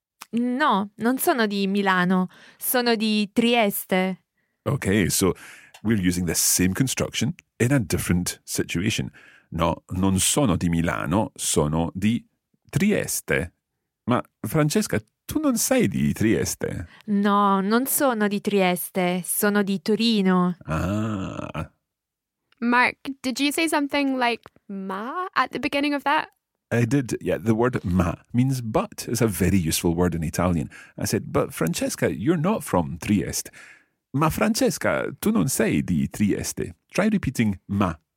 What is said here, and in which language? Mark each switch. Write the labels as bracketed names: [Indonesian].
[Italian] No, non sono di Milano, sono di Trieste. [English] Okay, so we're using the same construction in a different situation. [Italian] No, non sono di Milano, sono di Trieste. Ma Francesca, tu non sei di Trieste. No, non sono di Trieste, sono di Torino. Ah. [English] Mark, did you say something like ma at the beginning of that? I did, yeah. The word ma means but. It's a very useful word in Italian. I said, but Francesca, you're not from Trieste. [Italian] Ma Francesca, tu non sei di Trieste. [English] Try repeating ma.